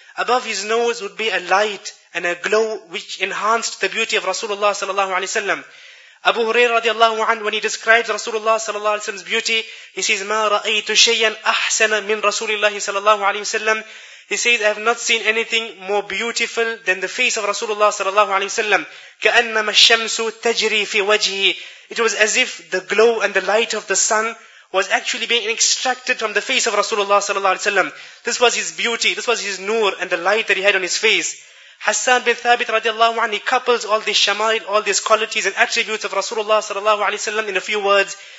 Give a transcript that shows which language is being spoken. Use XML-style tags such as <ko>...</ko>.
<en>Above his nose would be a light and a glow which enhanced the beauty of Rasulullah sallallahu alaihi wasallam. Abu Hurairah radiallahu anhu, when he describes Rasulullah sallallahu alaihi wasallam's beauty, he says,</en> <ar>ما رأيت شيئا أحسن من رسول الله</ar> <en>sallallahu alaihi wasallam. He says, I have not seen anything more beautiful than the face of Rasulullah sallallahu alaihi wasallam.</en> <ar>كأنما الشمس تجري في وجهه.</ar> <en>It was as if the glow and the light of the sun was actually being extracted from the face of Rasulullah sallallahu alaihi wasallam. This was his beauty. This was his nur and the light that he had on his face. Hassan bin Thabit radiallahu anhu, he couples all these shamail, all these qualities and attributes of Rasulullah sallallahu alaihi wasallam in a few words.</en>